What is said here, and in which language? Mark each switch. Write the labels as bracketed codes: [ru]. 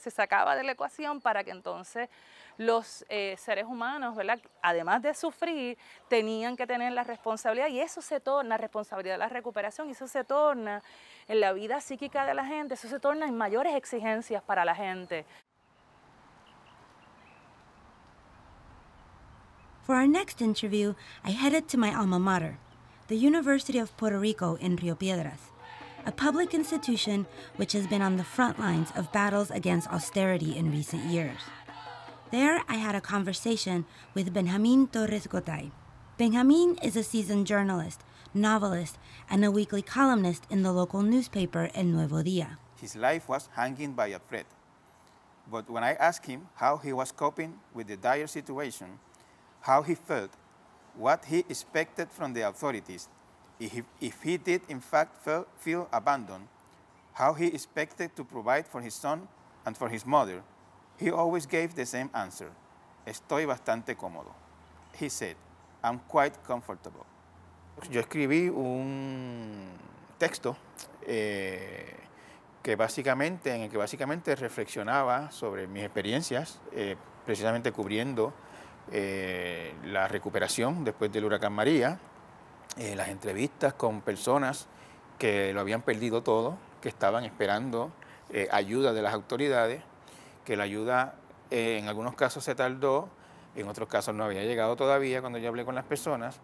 [es] Se sacaba de la ecuación para que entonces los seres humanos, ¿verdad?, además de sufrir, tenían que tener la responsabilidad, y eso se torna responsabilidad de la recuperación, y eso se torna en la vida psíquica de la gente, eso se torna en mayores exigencias para la gente. [en] For our next interview, I headed to my alma mater, the University of Puerto Rico in Río Piedras, a public institution which has been on the front lines of battles against austerity in recent years. There, I had a conversation with Benjamin Torres Gotay. Benjamin is a seasoned journalist, novelist, and a weekly columnist in the local newspaper, El Nuevo Día. His life was hanging by a thread. But when I asked him how he was coping with the dire situation, how he felt, what he expected from the authorities, if he did in fact feel abandoned, how he expected to provide for his son and for his mother, he always gave the same answer. [es] Estoy bastante cómodo. [en] He said, I'm quite comfortable. [es] Yo escribí un texto en el que básicamente reflexionaba sobre mis experiencias, precisamente cubriendo la recuperación después del huracán María, las entrevistas con personas que lo habían perdido todo, que estaban esperando ayuda de las autoridades, que la ayuda en algunos casos se tardó, en otros casos no había llegado todavía cuando yo hablé con las personas.